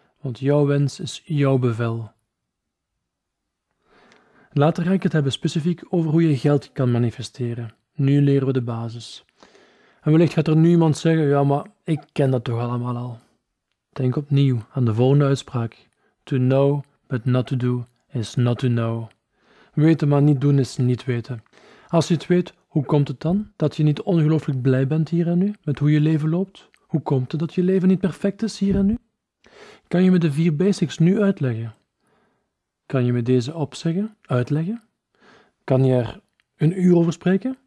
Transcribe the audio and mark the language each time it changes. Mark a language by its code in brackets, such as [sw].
[nl] Want jouw wens is jouw bevel. Later ga ik het hebben specifiek over hoe je geld kan manifesteren. Nu leren we de basis. En wellicht gaat er nu iemand zeggen, ja, maar ik ken dat toch allemaal al. Denk opnieuw aan de volgende uitspraak. [en] To know, but not to do, is not to know. [nl] Weten, maar niet doen, is niet weten. Als je het weet, hoe komt het dan dat je niet ongelooflijk blij bent hier en nu, met hoe je leven loopt? Hoe komt het dat je leven niet perfect is hier en nu? Kan je me de vier basics nu uitleggen? Kan je me deze opzeggen, uitleggen? Kan je er een uur over spreken?